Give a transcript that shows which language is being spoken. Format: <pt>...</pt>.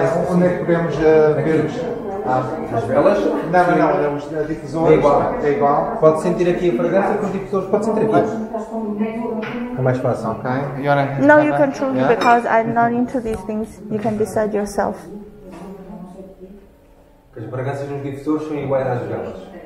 <pt>Onde é que podemos ver os As velas? Não, os difusores. É igual. Pode sentir aqui a fragrância com os difusores, pode sentir aqui. É mais fácil, ok?</pt> <en>No, you can choose because I'm not into these things. You can decide yourself.</en> <pt>As fragrâncias nos difusores são iguais às velas.</pt>